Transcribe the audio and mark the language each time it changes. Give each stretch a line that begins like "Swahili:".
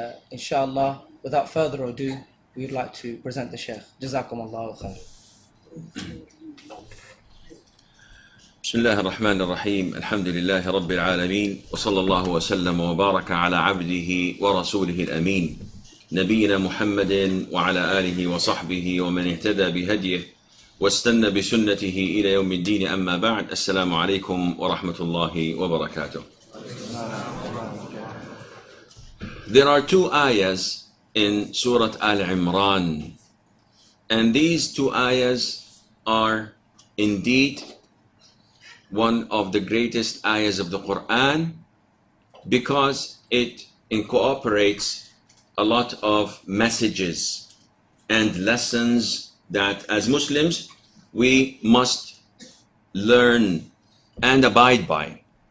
English: Inshallah, without further ado, we'd like to present the Sheikh.
Arabic: Jazakum Allahu khair. بسم الله الرحمن الرحيم الحمد لله رب العالمين وصلى الله وسلم وبارك على عبده ورسوله الأمين نبينا محمد وعلى آله وصحبه ومن اهتدى بهديه واستنى بسنته إلى يوم الدين أما بعد السلام عليكم ورحمة الله وبركاته.
English: There are two ayahs in Surah Al-Imran, and these two ayahs are indeed one of the greatest ayahs of the Quran, because it incorporates a lot of messages and lessons that as Muslims we must learn and abide by.